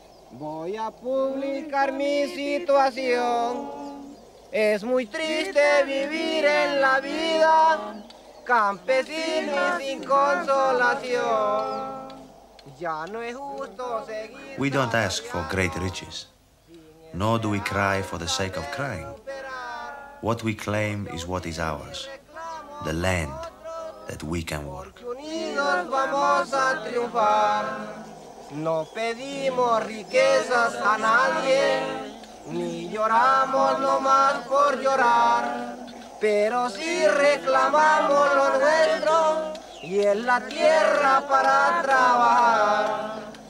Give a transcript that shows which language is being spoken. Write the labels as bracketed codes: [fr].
[es] Voy a publicar mi situación. Es muy triste vivir en la vida campesino sin consolación. Ya no es justo seguir. [en] We don't ask for great riches. Nor do we cry for the sake of crying. What we claim is what is ours, the land that we can work. [es] Unidos vamos a triunfar. No pedimos riquezas a nadie, ni lloramos nomás por llorar. Pero sí reclamamos lo nuestro y en la tierra para trabajar.